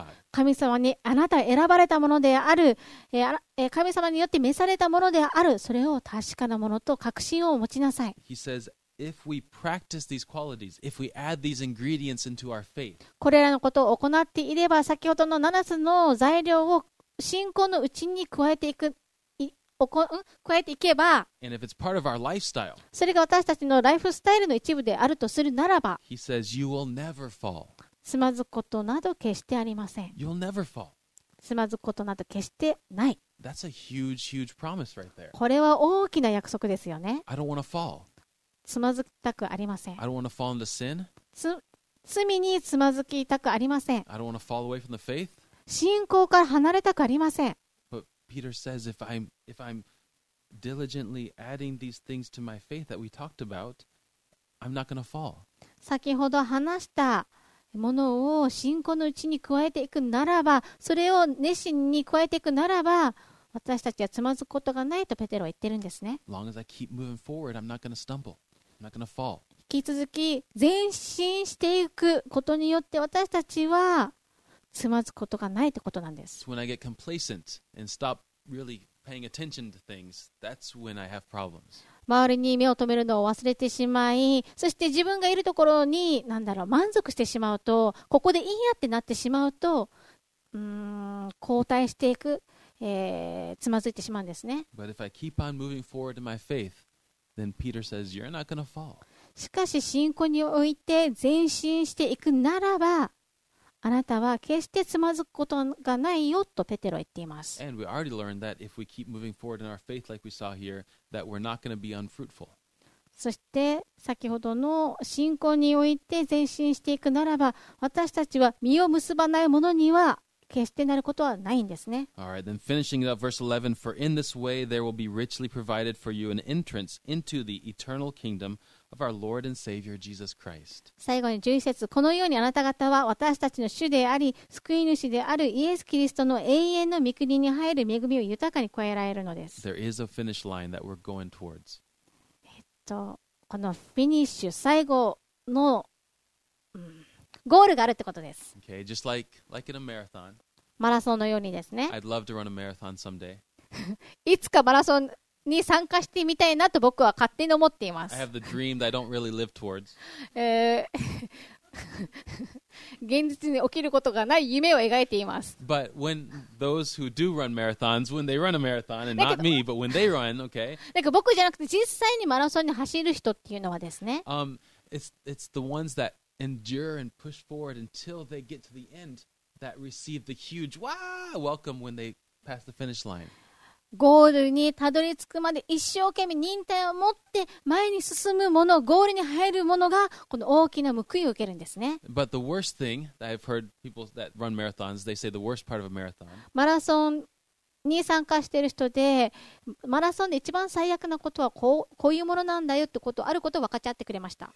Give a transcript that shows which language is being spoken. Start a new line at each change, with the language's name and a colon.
Japanese: 神様にあなたは選ばれたものである、神様によって召されたものである、それを確かなものと確信を持ちなさい。
English: He says, if we practice these qualities, if we add these ingredients into our faith,
Japanese: これらのことを行っていれば、先ほどの7つの材料を信仰のうちに加えていく。加えていけば、
English: And if it's part of our lifestyle,
Japanese: それが私たちのライフスタイルの一部であるとするならば、
English: He says, you will never fall.
Japanese: つまずくことなど決してありません。
English: You'll never fall.
Japanese: つまずくことなど決してない。
English: That's a huge, huge promise right there.
Japanese: これは大きな約束ですよね。
English: I don't want to fall.
Japanese: つまずきたくありません。
English: I don't want to fall into sin.
Japanese: 罪につまずきたくありません。
English: I don't want to fall away from the faith.
Japanese: 信仰から離れたくありません。
English: Peter says, if I'm diligently adding these things to my faith that we talked about, I'm not going to fall.
Japanese: 先ほど話したものを信仰のうちに加えていくならば、それを熱心に加えていくならば、私たちはつまずくことがないとペテロは言ってるんですね。
English: As long as I keep moving forward, I'm not going to stumble. I'm not going to fall.
Japanese: 引き続き前進していくことによって私たちはつまずくことがないってことなんです。
English: When I get complacent and stop really paying attention to things, that's when I have problems.
Japanese: 周りに目を留めるのを忘れてしまい、そして自分がいるところに何だろう満足してしまうと、ここでいいやってなってしまうと、後退していく、つまずいてしまうんですね。
English: But if I keep on moving forward in my faith, then Peter says you're not going to fall.
Japanese: しかし信仰において前進していくならば。あなたは決してつまずくことがないよとペテロは言っています。
English: And we already learned that if we keep moving forward in our faith like we saw here, that we're not going to be unfruitful.
Japanese: そして先ほどの信仰において前進していくならば、私たちは実を結ばないものには決してなることはないんですね。
English: All right, then finishing up verse 11, for in this way there will be richly provided for you an entrance into the eternal kingdom. Of our Lord and Savior, Jesus Christ.
Japanese: 最後に11節、このようにあなた方は私たちの主であり救い主であるイエス・キリストの永遠の御国に入る恵みを豊かに加えられるのです。
English: There is a finish line that we're going towards.
Japanese: このフィニッシュ、最後の、ゴールがあるってことです。
English: Okay, just like in a marathon.
Japanese: マラソンのようにですね。
English: I'd love to run a marathon someday.
Japanese: いつかマラソンに参加してみたいなと僕は勝手に思っています。
English: I have the dream that I don't really live towards.
Japanese: 現実に起きることがない夢を描いています。
English: But when those who do run marathons, when they run a marathon, and not me, but when they run, okay?
Japanese: なんか僕じゃなくて実際にマラソンに走る人っていうのはですね。
English: It's the ones that endure and push forward until they get to the end that receive the huge welcome when they pass the finish line.
Japanese: ゴールにたどり着くまで一生懸命忍耐を持って前に進むもの、ゴールに入るものがこの大きな報いを受けるんですね。
English: But the worst thing that I've heard people that run marathons, they say the worst part of a marathon.
Japanese: マラソンに参加している人で、マラソンで一番最悪なことはこういうものなんだよってことあることを分かち合ってくれました。